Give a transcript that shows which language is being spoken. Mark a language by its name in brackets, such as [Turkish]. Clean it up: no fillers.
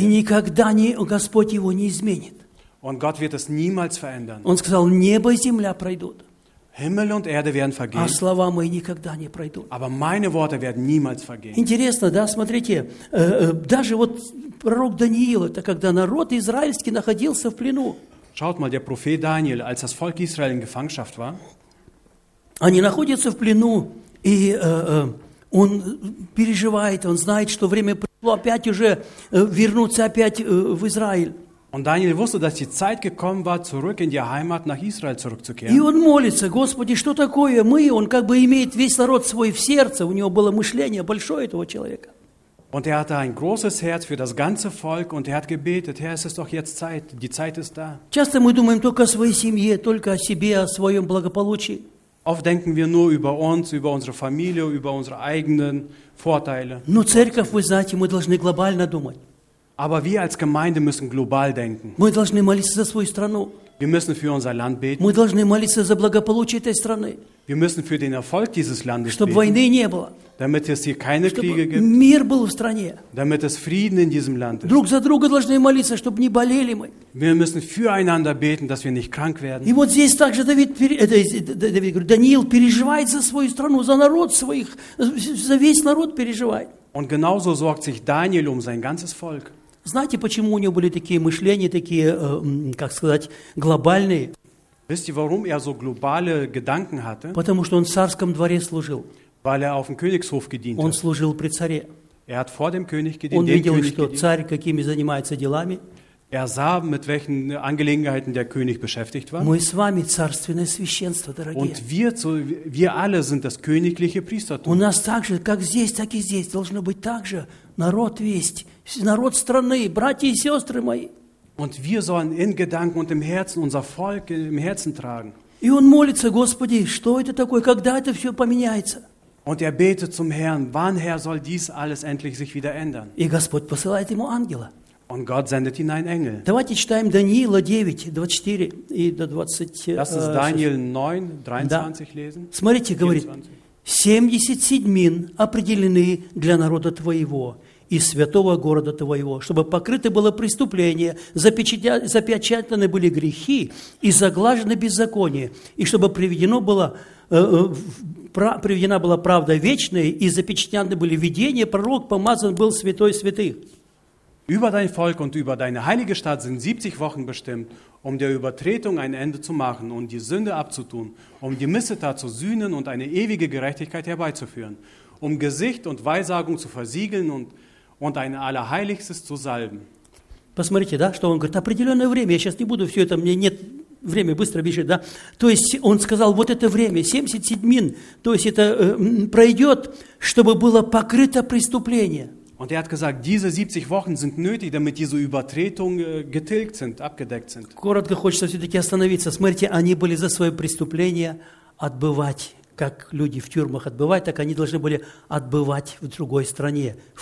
[Russian] И никогда не Господь его не изменит. [German] Und Gott wird es niemals verändern. [Russian] Он сказал, небо и земля пройдут. [German] Himmel und Erde werden vergehen. [Russian] А слова мои никогда не пройдут. [German] Aber meine Worte werden niemals vergehen. [Russian] Интересно, да, смотрите, даже вот пророк Даниил, это когда народ израильский находился в плену. [German] Schaut mal, der Prophet Daniel, als das Volk Israel in Gefangenschaft war. [Russian] Они находятся в плену, и он переживает, он знает, что время пришло опять уже вернуться опять в Израиль. [German] Und Daniel wusste, dass die Zeit gekommen war, zurück in die Heimat nach Israel zurückzukehren. [Russian] И он молится, Господи, что такое мы? Он как бы имеет весь народ свой в сердце, у него было мышление большое этого человека. [German] Und hatte ein großes Herz für das ganze Volk und hat gebetet, Herr, es ist doch jetzt Zeit, die Zeit ist da. [Russian] Часто мы думаем только о своей семье, только о себе, о своем благополучии. [German] Oft denken wir nur über uns, über unsere Familie, über unsere eigenen Vorteile. [Russian] Но церковь, вы знаете, мы должны глобально думать. [German] Aber wir als Gemeinde müssen global denken. [Russian] Мы должны молиться за свою страну. [German] Wir müssen für unser Land beten. [Russian] Мы должны молиться за благополучие этой страны. [German] Wir müssen für den Erfolg dieses Landes [Russian] чтобы Чтобы войны не было. [German] Damit es hier keine [Russian] чтобы [German] Kriege gibt. [Russian] Мир был в стране. [German] Damit es Frieden in diesem Land ist. [Russian] Друг за друга должны молиться, чтобы не болели мы. [German] Wir müssen füreinander beten, dass wir nicht krank werden. [Russian] И вот здесь также Давид говорит, Даниил переживает за свою страну, за народ своих, за весь народ переживает. [German] Und genauso sorgt sich Daniel um sein ganzes Volk. [Russian] Знаете, почему у него были такие мышления, такие, как сказать, глобальные? [German] Wisst ihr, warum er so globale Gedanken hatte? [Russian] Потому что он в царском дворе служил. [German] Weil er auf dem Königshof gedient [Russian] он [German] hat. [Russian] Служил при царе. [German] Er hat vor dem König gedient, [Russian] он видел, [German] dem König [Russian] что [German] gedient. [Russian] Царь какими занимается делами. [German] Er sah, mit welchen Angelegenheiten der König beschäftigt war. [Russian] Мы с вами царственное священство, дорогие. [German] Und wir alle sind das königliche Priestertum. [Russian] У нас так же, как здесь, так и здесь, должно быть так же, народ весть, народ страны, братья и сестры мои. [German] Und wir sollen in Gedanken und im Herzen unser Volk im Herzen tragen. [Russian] И он молится, Господи, что это такое, когда это все поменяется? [German] Und er betet zum Herrn, wann, Herr, soll dies alles endlich sich wieder ändern? [Russian] И Господь посылает ему ангела. [German] Und Gott sendet ihn einen Engel. [Russian] Давайте читаем Даниила 9, 24 и до 20. [German] Das ist Daniel 9, 23 lesen. [Russian] Смотрите, говорит, 70 седьмин определены для народа твоего и святого города твоего, чтобы покрыто было преступление, запечатаны были грехи и заглажены беззаконие, и чтобы приведена была правда вечная и запечатаны были видения, пророк помазан был святой святых. [German] Über dein Volk und über deine heilige Stadt sind 70 Wochen bestimmt, um der Übertretung ein Ende zu machen und die Sünde abzutun, um die Missetat zu sühnen und eine ewige Gerechtigkeit herbeizuführen, um Gesicht und Weissagung zu versiegeln und ein Allerheiligstes zu salben. [Russian] Посмотрите, да, что он говорит, определенное время, я сейчас не буду все это, мне нет время быстро бежит, да. То есть он сказал, вот это время, 70 седьмин, то есть это пройдет, чтобы было покрыто преступление. [German] Und er hat gesagt, diese 70 Wochen sind nötig, damit diese Übertretungen getilgt sind, abgedeckt sind. [Russian] Коротко хочется все-таки остановиться. Смотрите, они были за свое преступление отбывать, как люди в тюрьмах отбывают, так они должны были отбывать в другой стране, в